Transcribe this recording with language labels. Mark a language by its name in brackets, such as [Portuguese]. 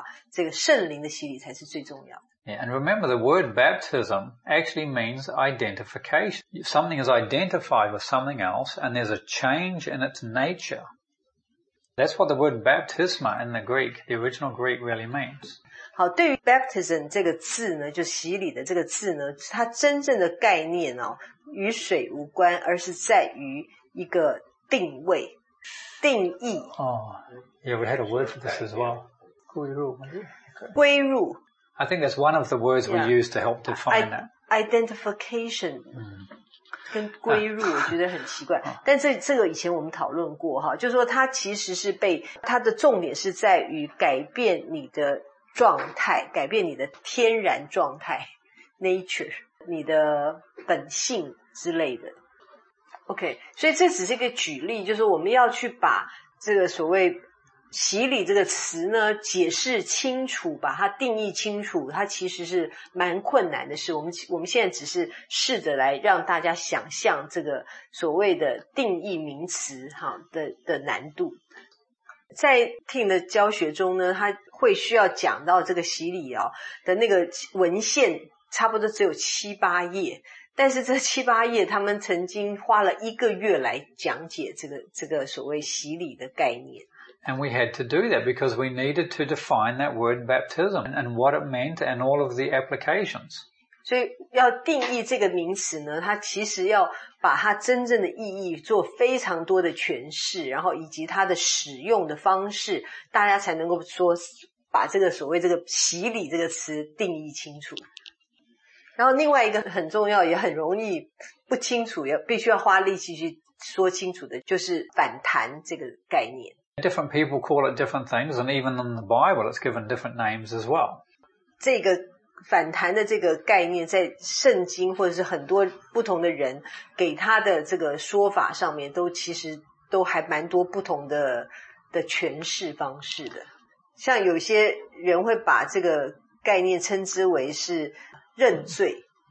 [Chinese] 就是很多人呢,在一般在讲到洗礼的时候,会以为这个水洗是最重要的,这个洗礼。但是按照这个以弗所书四章五节来讲的话,这个圣灵的洗礼才是最重要的。 [English] Yeah, and remember the word baptism actually means identification. Something is identified with something else and there's a change in its nature. That's what the word baptisma in the Greek, the original Greek really means. [Chinese] 好，对于 baptism 这个字呢，就洗礼的这个字呢，它真正的概念哦，与水无关，而是在于一个定位、定义。 [English] Oh, yeah, we had a word for this as well. [Chinese] 归入。归入。 [English] I think that's one of the words we use to help define that. Identification. [Chinese] 跟归入我觉得很奇怪，但这个以前我们讨论过哈，就是说它其实是被它的重点是在于改变你的。状态改变你的天然状态 ，nature， 你的本性之类的。 OK， 所以这只是一个举例，就是我们要去把这个所谓“洗礼”这个词呢解释清楚，把它定义清楚，它其实是蛮困难的事。我们现在只是试着来让大家想象这个所谓的定义名词哈的难度。在 Tim 的教学中呢，他会需要讲到这个洗礼哦的那个文献，差不多只有七八页，但是这七八页他们曾经花了一个月来讲解这个所谓洗礼的概念。 [English] And we had to do that because we needed to define that word baptism and what it meant and all of the applications. [Chinese] 所以要定义这个名词呢，它其实要把它真正的意义做非常多的诠释，然后以及它的使用的方式，大家才能够说把这个所谓这个洗礼这个词定义清楚。然后另外一个很重要也很容易不清楚，也必须要花力气去说清楚的，就是反弹这个概念。 [English] Different people call it different things, and even in the Bible, it's given different names as well. [Chinese] 这个反弹的这个概念在圣经或者是很多不同的人给他的这个说法上面都其实都还蛮多不同的诠释方式的。像有些人会把这个概念称之为是认罪。